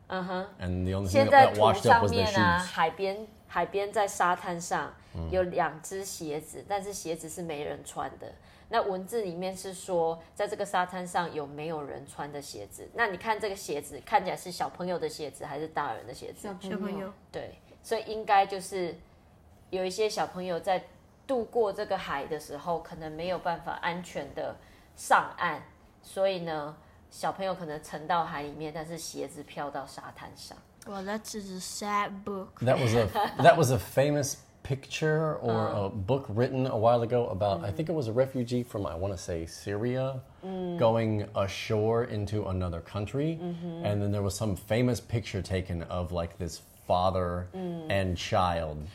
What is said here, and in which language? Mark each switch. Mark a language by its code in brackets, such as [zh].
[en] And the only thing that washed up was their shoes. [zh] 海边在沙滩上有两只鞋子，但是鞋子是没人穿的。那文字里面是说，在这个沙滩上有没有人穿的鞋子？那你看这个鞋子，看起来是小朋友的鞋子还是大人的鞋子？小朋友。对，所以应该就是有一些小朋友在渡过这个海的时候，可能没有办法安全的上岸，所以呢，小朋友可能沉到海里面，但是鞋子飘到沙滩上。 [en] Well, that's just a sad book. That was a famous picture or a book written a while ago about, I think it was a refugee from, I want to say, Syria, going ashore into another country. And then there was some famous picture taken of like this father and child.